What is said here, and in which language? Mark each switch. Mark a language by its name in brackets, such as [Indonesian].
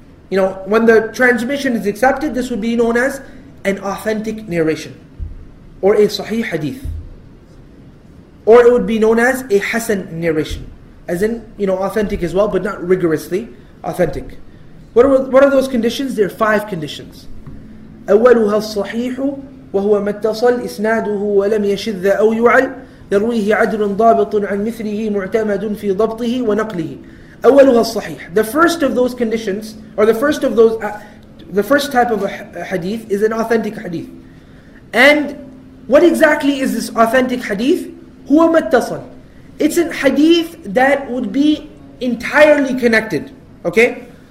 [English] You know, when the transmission is accepted, this would be known as an authentic narration, or a sahih hadith. Or it would be known as a hasan narration, as in, you know, authentic as well, but not rigorously authentic. What are those conditions? There are 5 conditions. [Arabic] أولها الصحيح وهو ما اتصل إسناده ولم يشذ أو يعل يرويه عدل ضابط عن مثله معتمد في ضبطه ونقله. أولها الصحيح. [English] The first of those conditions, or the first of those, the first type of a hadith is an authentic hadith. And what exactly is this authentic hadith? [Arabic] هو ما اتصل. [English] It's a hadith that would be entirely connected. Okay?